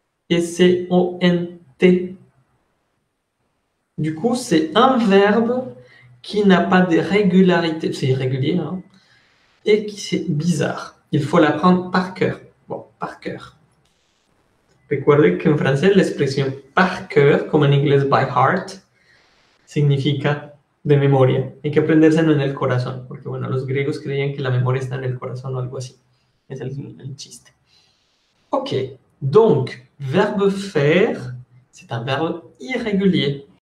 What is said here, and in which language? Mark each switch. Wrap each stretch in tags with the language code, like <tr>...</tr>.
<fr>Et c'est O-N-T. Du coup, c'est un verbe qui n'a pas de régularité. C'est irrégulier, hein? Et qui c'est bizarre. Il faut l'apprendre par cœur. Bon, par cœur.</fr> <es>Recuerde</es> <fr>qu'en français, l'expression par cœur, comme en anglais,</fr> <en>by heart,</en> <es>significa de memoria. Hay que aprendérselo en el corazón, porque bueno, los griegos creían que la memoria está en el corazón o algo así. Es el chiste.</es> <fr>Ok, donc, verbe faire, c'est un verbe irrégulier.</fr>